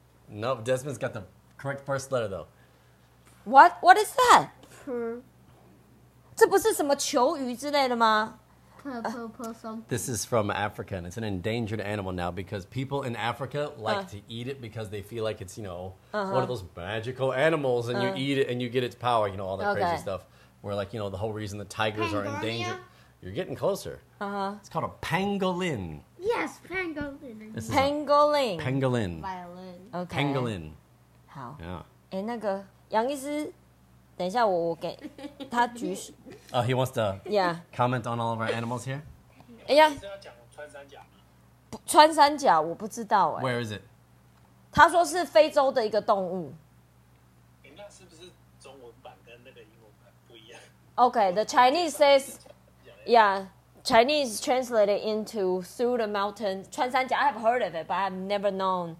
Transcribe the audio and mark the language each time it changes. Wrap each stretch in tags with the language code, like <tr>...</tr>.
<en>No, Desmond's got the correct first letter though. What is that?</en> <zh>这不是什么球鱼之类的吗?</zh> <en>This is from Africa, and it's an endangered animal now because people in Africa like to eat it because they feel like it's, you know, one of those magical animals, and you eat it and you get its power, you know, all that crazy stuff. Where, like, you know, the whole reason the tigers are endangered. You're getting closer. It's called a pangolin. Yes, pangolin. Pangolin. Violin. Okay. Pangolin.</en> <zh>好.Yeah. 那个杨医师...等一下我给他举手</zh> <en>he wants to comment on all of our animals here?</en> <zh>穿山甲我不知道</zh> <en>Where is it?</en> <zh>他说是非洲的一个动物那是不是中文版跟那个英文版不一样</zh> <en>Okay, the Chinese says Yeah, Chinese translated into through the mountain 穿山甲, I have heard of it, but I've never known</en>